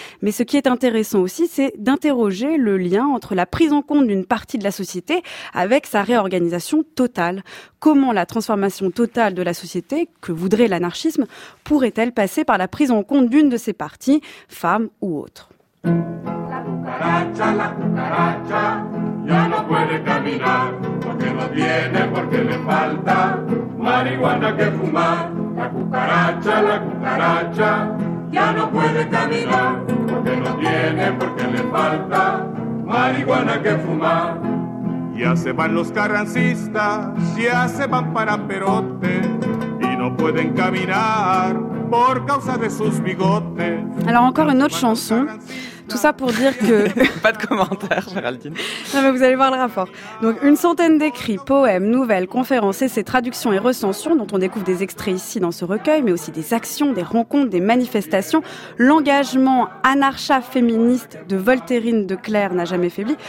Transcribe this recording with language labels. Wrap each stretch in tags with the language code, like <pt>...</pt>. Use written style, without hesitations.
<fr>Mais ce qui est intéressant aussi, c'est d'interroger le lien entre la prise en compte d'une partie de la société avec sa réorganisation totale. Comment la transformation totale de la société, que voudrait l'anarchisme, pourrait-elle passer par la prise en compte d'une de ses parties, femme ou autre ?</fr> <es>La cucaracha ya no puede caminar, porque no tiene, porque le falta marihuana que fumar. La cucaracha ya no puede caminar, porque no tiene, porque le falta marihuana que fumar. Ya se van los carrancistas, ya se van para Perote. No pueden caminar por causa de sus bigotes.</es> <fr>Alors encore une autre chanson. Tout ça pour dire que... Pas de commentaire, Géraldine. Non mais vous allez voir le rapport. Donc une centaine d'écrits, poèmes, nouvelles, conférences, essais, traductions et recensions dont on découvre des extraits ici dans ce recueil, mais aussi des actions, des rencontres, des manifestations. L'engagement anarcha-féministe de Voltairine de Clare n'a jamais faibli.</fr>